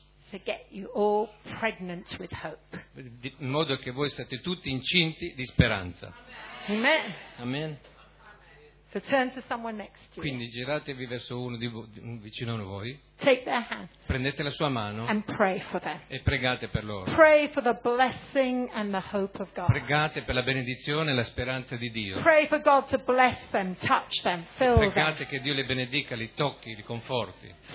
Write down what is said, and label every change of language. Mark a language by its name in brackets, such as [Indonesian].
[English] To get you all pregnant with hope. [Italian] In modo che voi state tutti incinti di speranza. [English] Amen. [Italian] Amen. [English] So turn to someone next to you. [Italian] Quindi giratevi verso uno di vicino a voi. [English] Take their hand. [Italian] Prendete la sua mano. [English] And pray for them. [Italian] E pregate per loro. [English] Pray for the blessing and the hope of God. [Italian] Pregate per la benedizione e la speranza di Dio. [English] Pray for God to bless them, touch them, fill [Italian] pregate [English] them. [Italian] Pregate che Dio li benedica, li tocchi, li conforti.